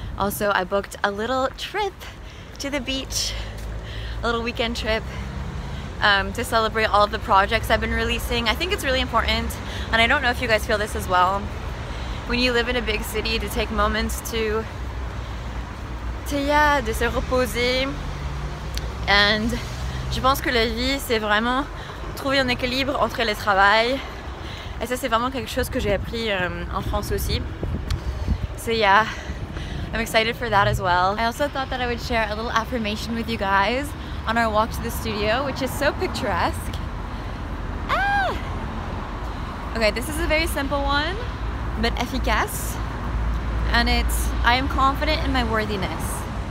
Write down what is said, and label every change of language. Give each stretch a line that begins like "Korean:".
English: Also, I booked a little trip to the beach, a little weekend trip. To celebrate all of the projects I've been releasing. I think it's really important, and I don't know if you guys feel this as well, when you live in a big city, to take moments to
French: se reposer. And je pense que la vie, c'est vraiment trouver un équilibre entre le travail. Et ça, c'est vraiment quelque chose que j'ai appris en France aussi.
English: So yeah, I'm excited for that as well. I also thought that I would share a little affirmation with you guys on our walk to the studio, which is so picturesque. Okay, this is a very simple one, but efficace. And it's, I am confident in my worthiness.